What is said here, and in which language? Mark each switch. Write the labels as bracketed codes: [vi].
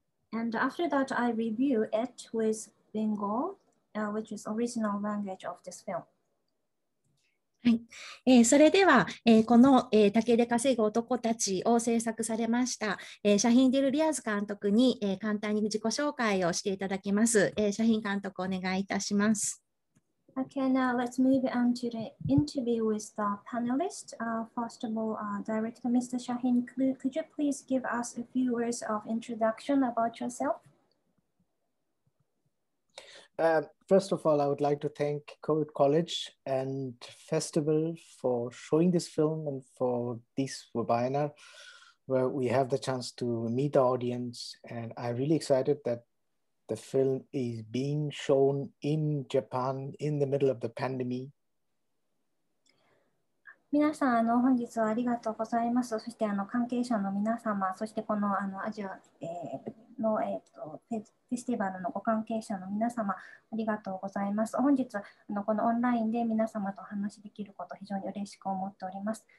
[en] And after that, I review it with Bengal,which is original language of this film. [ja] はい、それでは、この、竹で稼ぐ男たちを制作されました、シャヒン・ディル・リアズ監督に、簡単に自己紹介をしていただきます、シャヒン監督お願いいたします。 [en] Okay, now let's move on to the interview with the panelist. First of all, Director Mr. Shaheen, could you please give us a few words of introduction about yourself? First of all, I would like to thank Kobe College and Festival for showing this film and for this webinar where we have the chance to meet the audience. And I'm really excited that the film is being shown in Japan in the middle of the pandemic. [ja] 皆さん本日はありがとうございます。そして関係者の皆様、そしてこのアジア、の、フェスティバルのご関係者の皆様、ありがとうございます。本日このオンラインで皆様とお話しできること非常に嬉しく思っております。